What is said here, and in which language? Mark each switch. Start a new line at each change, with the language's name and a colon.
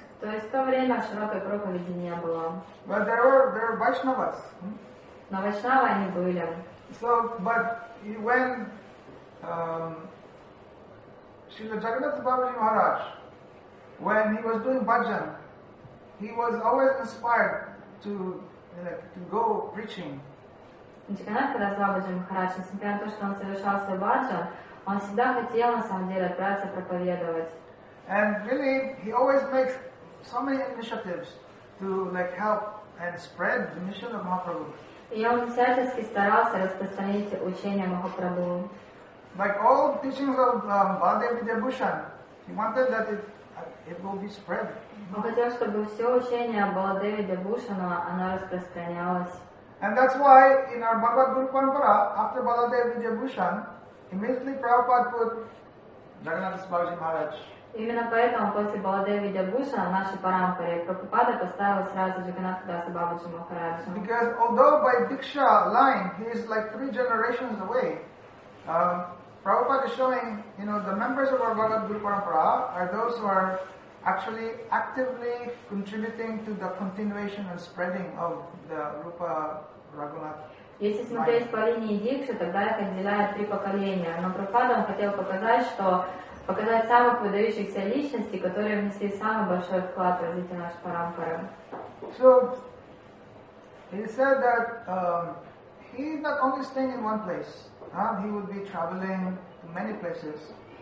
Russian: То есть в то время широкой проповеди не было.
English: But there were Vaishnavas.
Russian: Но Вайшнавы они были.
English: So, but when Srila Jagannath Babaji Maharaj, when he was doing bhajan, he was always inspired to go preaching.
Russian: Джаганнат, когда звал Бабаджи Махарадж, несмотря на то, что он совершал свой бхаджан, он всегда хотел, на самом деле, отправиться проповедовать.
English: And really, he always makes so many initiatives to like help and spread the mission of Mahaprabhu.
Russian: И он всячески старался распространить учение Махапрабху.
English: Like all teachings of Baladev Vidya Bhushan, he wanted that it will be spread.
Russian: Он хотел, чтобы все учение Баладеви Дебушана, оно распространялось.
English: And that's why in our Bhagavad Guru Parampara, after Baladevi Dibhushan, immediately Prabhupada put Jagannath Babaji Maharaj.
Russian: Именно поэтому после Баладеви Дибхушана в нашей парампаре Прабхупада поставил сразу Джаганнатха Даса Бабаджи Махараджа.
English: Because although by Diksha line he is like three generations away, Prabhupada is showing, you know, the members of our Bhagavad Guru Parampara are those who are actually actively contributing to the continuation and spreading of the Rupa Raghunath.
Russian: Если смотреть по линии дикши, тогда их отделяет три поколения. Но Прабхупада хотел показать самых выдающихся личностей, которые внесли самый большой вклад в развитие нашей парампары.
English: So he said that he is not only staying in one place. He would be traveling to many places.